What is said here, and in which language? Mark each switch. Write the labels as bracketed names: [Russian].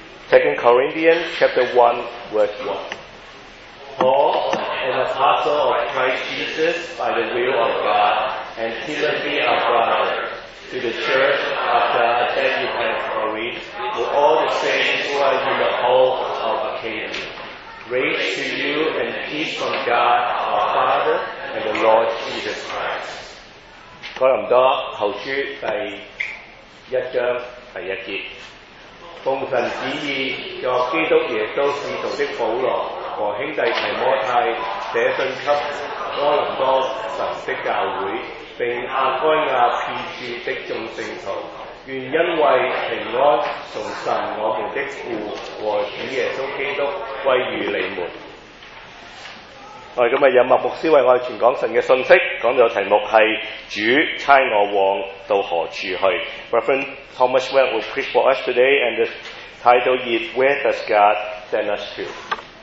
[English] 2 Corinthians, chapter 1, verse 1. Paul, an apostle of Christ Jesus by the will of God, and Timothy, our brother, to the church of God that you have Corinth, to all the saints who are in the whole of Achaia. Grace to you and peace from God, our Father, and the Lord Jesus Christ. [Chinese] 哥林多后书第一章第一节。奉神旨意，作基督耶稣使徒的保罗和兄弟提摩太写信给哥林多神的教会，并亚该亚遍处的众圣徒，愿因为平安从神我们的父和主耶稣基督归于你们。我们今天有麦牧师为我们传讲神的信息，讲到的题目是主差我往到何处去。 [English] Reverend Thomas Webb will preach for us today and the title is Where Does God Send Us To?